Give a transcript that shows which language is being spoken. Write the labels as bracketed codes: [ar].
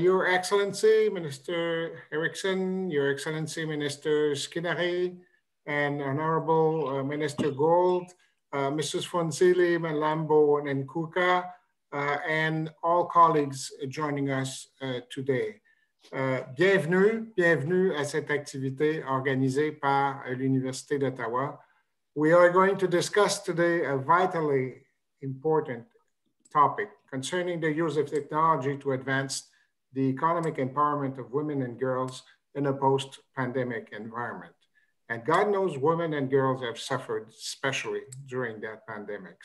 [en] Your Excellency, Minister Erickson, Your Excellency, Minister Skinnery, and Honorable Minister Gold, Mrs. Fonsili, Malambo, and Kuka, and all colleagues joining us today. [fr] Bienvenue à cette activité organisée par l'Université d'Ottawa. [en] We are going to discuss today a vitally important topic concerning the use of technology to advance the economic empowerment of women and girls in a post-pandemic environment. And God knows women and girls have suffered, especially during that pandemic.